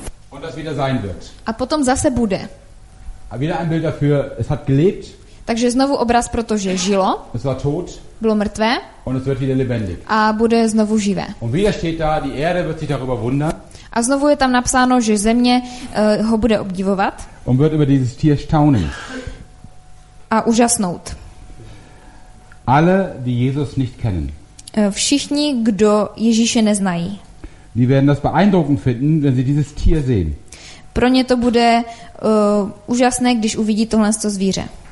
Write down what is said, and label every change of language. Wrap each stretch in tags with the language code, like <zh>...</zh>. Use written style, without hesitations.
<de>und das wieder sein wird.</de> <cs>A potom zase bude.</cs> <de>Wieder ein Bild dafür, es hat gelebt.</de> <cs>Takže znovu obraz, protože žilo,</cs> <de>es war tot,</de> <cs>bylo mrtvé</cs> <de>und es wird wieder lebendig.</de> <cs>A bude znovu živé.</cs> <de>Und wieder steht da, die Erde wird sich darüber wundern.</de> <cs>A znovu je tam napsáno, že země ho bude obdivovat</cs> <de>und wird über dieses Tier staunen.</de> <cs>A úžasnout.</cs> <de>Alle, die Jesus nicht kennen.</de> <cs>Všichni, kdo Ježíše neznají.</cs> <de>Die werden das beeindruckend finden, wenn sie dieses Tier sehen.</de> <cs>Pro ně to bude úžasné, když uvidí tohle zvíře.</cs>